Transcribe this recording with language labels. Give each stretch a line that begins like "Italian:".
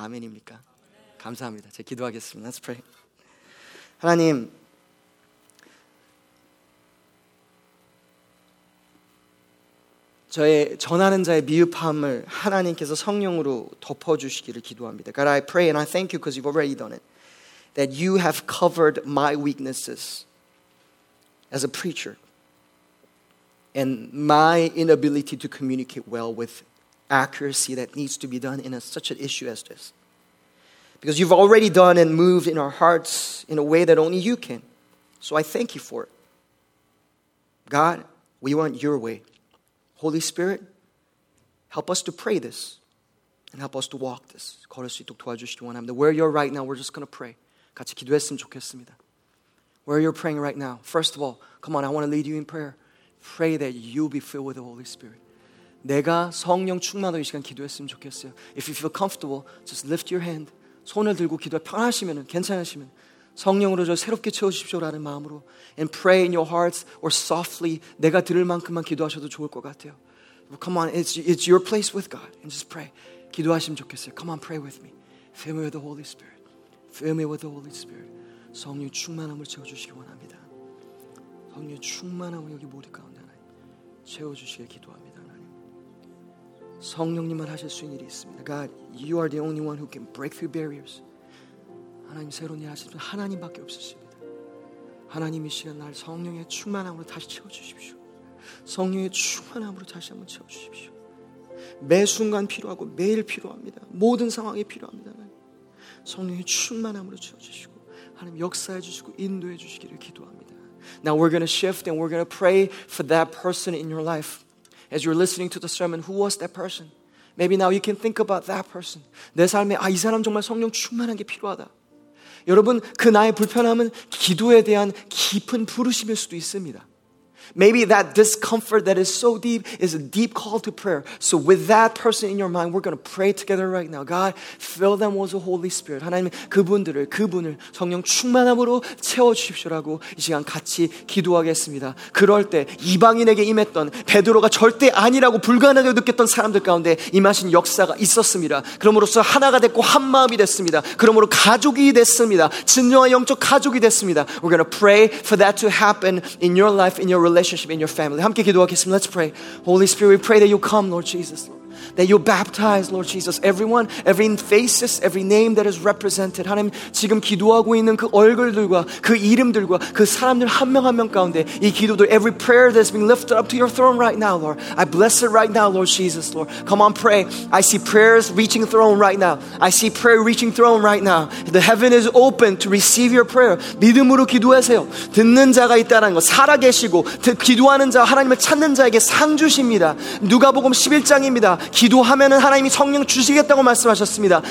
Korean: 아멘입니까? 아멘. 감사합니다. 제가 기도하겠습니다.
English: Let's pray.
Korean: 하나님, 저의 전하는 자의 미흡함을 하나님께서 성령으로 덮어주시기를 기도합니다.
English: God, I pray and I thank you because you've already done it. That you have covered my weaknesses as a preacher and my inability to communicate well with accuracy that needs to be done in such an issue as this. Because you've already done and moved in our hearts in a way that only you can. So I thank you for it. God, we want your way. Holy Spirit, help us to pray this and help us to walk this.
Korean: 걸을 수 있도록 도와주시기 원합니다.
English: Where you're right now, we're just going to pray.
Korean: 같이 기도했으면 좋겠습니다.
English: Where you're praying right now, first of all, come on, I want to lead you in prayer. Pray that you'll be filled with the Holy Spirit.
Korean: 내가 성령 충만으로 이 시간 기도했으면 좋겠어요.
English: If you feel comfortable, just lift your hand.
Korean: 손을 들고 기도해. 편하시면, 괜찮으시면 성령으로 저 새롭게 채워주십시오라는 마음으로
English: and pray in your hearts or softly
Korean: 내가 들을 만큼만 기도하셔도 좋을 것 같아요.
English: Well, come on, it's your place with God and just pray.
Korean: 기도하시면 좋겠어요.
English: Come on, pray with me. Fill me with the Holy Spirit. Fill me with the Holy Spirit.
Korean: 성령 충만함을 채워주시기 원합니다. 성령 충만함을 여기 모두 가운데 하나님 채워주시길 기도합니다. 하나님 성령님만 하실 수 있는 일이 있습니다.
English: God, you are the only one who can break through barriers.
Korean: 하나님 새로운 일 하실 분 하나님밖에 없으십니다. 하나님 이 시간 날 성령의 충만함으로 다시 채워주십시오. 성령의 충만함으로 다시 한번 채워주십시오. 매 순간 필요하고 매일 필요합니다. 모든 상황에 필요합니다. 성령의 충만함으로 채워주시고 하나님 역사해 주시고 인도해 주시기를 기도합니다.
English: Now we're going to shift and we're going to pray for that person in your life. As you're listening to the sermon, who was that person? Maybe now you can think about that person.
Korean: 내 삶에 아, 이 사람 정말 성령 충만한 게 필요하다. 여러분 그 나의 불편함은 기도에 대한 깊은 부르심일 수도 있습니다.
English: Maybe that discomfort that is so deep is a deep call to prayer. So with that person in your mind, we're going to pray together right now. God, fill them with the Holy Spirit.
Korean: 하나님 그분들을 그분을 성령 충만함으로 채워주십시오라고 이 시간 같이 기도하겠습니다. 그럴 때 이방인에게 임했던 베드로가 절대 아니라고 불가능하게 느꼈던 사람들 가운데 임하신 역사가 있었습니다. 그러므로서 하나가 됐고 한 마음이 됐습니다. 그러므로 가족이 됐습니다. 진정한 영적 가족이 됐습니다.
English: We're going to pray for that to happen in your life, in your relationship in your family.
Korean: 함께 기도하겠습니다.
English: Let's pray. Holy Spirit, we pray that you come, Lord Jesus. that you baptize, Lord Jesus, everyone, every faces, every name that is represented.
Korean: 하나님, 지금 기도하고 있는 그 얼굴들과 그 이름들과 그 사람들 한 명 한 명 가운데 이 기도들,
English: every prayer that's being lifted up to your throne right now, Lord. I bless it right now, Lord Jesus, Lord. Come on, pray. I see prayers reaching throne right now. I see prayer reaching throne right now. The heaven is open to receive your prayer.
Korean: 믿음으로 기도하세요. 듣는 자가 있다는 거, 살아계시고 기도하는 자, 하나님을 찾는 자에게 상 주십니다. 누가복음 11장입니다. 기도하면은 하나님이 성령 주시겠다고 말씀하셨습니다.